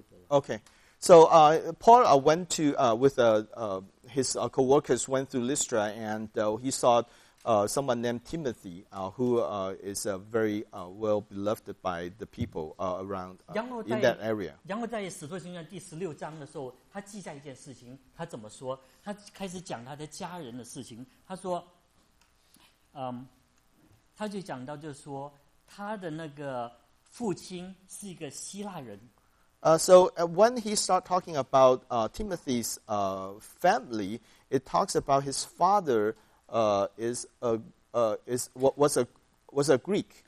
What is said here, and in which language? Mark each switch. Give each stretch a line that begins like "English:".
English: Okay, so Paul went to with his co-workers went to Lystra, and he saw someone named Timothy, who is very well beloved by the people around in that area.
Chinese: 然后在《使徒行传》第十六章的时候，他记下一件事情，他怎么说？他开始讲他的家人的事情。他说， 他就讲到就是说。他的那个父亲是一个希腊人。
English: So when he start talking about Timothy's family, it talks about his father was a Greek.